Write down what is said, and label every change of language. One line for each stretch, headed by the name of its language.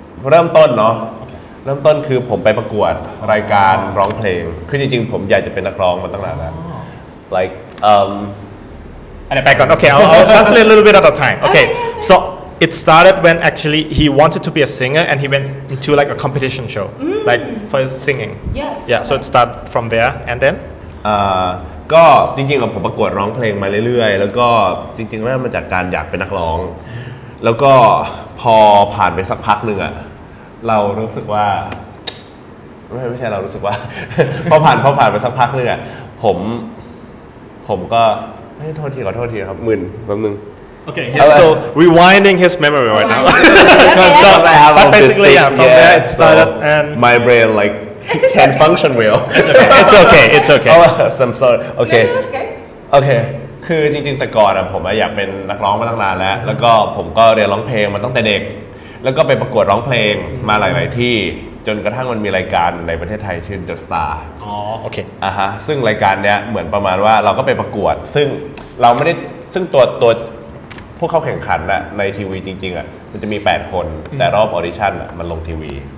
Thai: เริ่มต้นเนาะ okay. เริ่มต้นคือผมไปประกวดรายการ oh. ร้องเพลงคือจริงๆผมอยากจะเป็นนักร้องมาตั้งนานแล้ว like อันนี้ไปก่อนโอเค
English: I'll translate a little bit at a time okay. So it started when actually he wanted to be a singer and he went into like a competition show like for his singing yes yeah so it started from there and then
Thai: ก็จริงๆผมประกวดร้องเพลงมาเรื่อยๆแล้วก็จริงๆเริ่มมาจากการอยากเป็นนักร้องแล้วก็พอผ่านไปสักพักหนึ่งอะเรารู้สึกว่าไม่ใช่เรารู้สึกว่าพอผ่านไปสักพักหนึ่งอะผมก็ขอโทษทีครับหมื่นแป๊บนึง
English: โอเค he's still rewinding his memory right now okay. but basically yeah from there it started and my brain like can't function well it's okay oh I'm sorry okay no, okay
Thai: คือจริงๆแต่ก่อนอะผมอยากเป็นนักร้องมาตั้งนานแล้วแล้วก็ผมก็เรียนร้องเพลงมาตั้งแต่เด็กแล้วก็ไปประกวดร้องเพลงมาหลายๆที่จนกระทั่งมันมีรายการในประเทศไทยชื่อ The Star อ๋อโอเค อ่าฮะซึ่งรายการเนี้ยเหมือนประมาณว่าเราก็ไปประกวดซึ่งเราไม่ได้ซึ่งตัวผู้เข้าแข่งขันอะในทีวีจริงๆอะมันจะมี8คนแต่รอบออดิชั่นอะมันลงทีวี